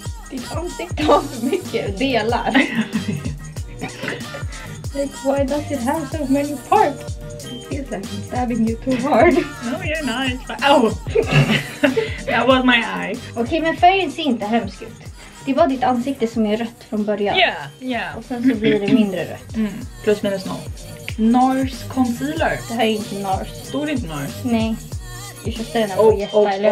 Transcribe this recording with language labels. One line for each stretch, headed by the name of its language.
Swedish: Ditt ansikte har för mycket delar.
English: Like, why does it have so many parts? It feels like I'm stabbing you too hard. No, you're nice. Ow! That was my eye.
Swedish: Okej, men färgen ser inte hemskt ut. Det var ditt ansikte som är rött från början. Ja, yeah, ja. Yeah. Och sen så blir det mindre rött. Mm. Plus minus noll. NARS concealer. Det här är inte NARS. Står inte NARS? Nej. Jag köpte den här på Gästa.